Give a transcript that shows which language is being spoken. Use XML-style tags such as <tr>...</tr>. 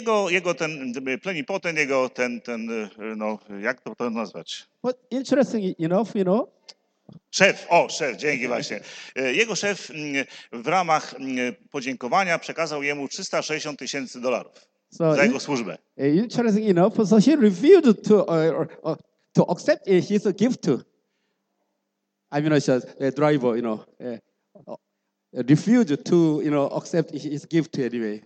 <pl>Jego ten plenipotent, jego ten no jak to nazwać?</pl> <en>But interesting enough, you know.</en> <pl>Szef, o szef, dzięki właśnie. Jego szef w ramach podziękowania przekazał jemu 360 tysięcy dolarów za jego służbę.</pl> <en>Interesting enough, so he refused to accept his gift. I mean, as a driver, you know, refused to, you know, accept his gift anyway.</en>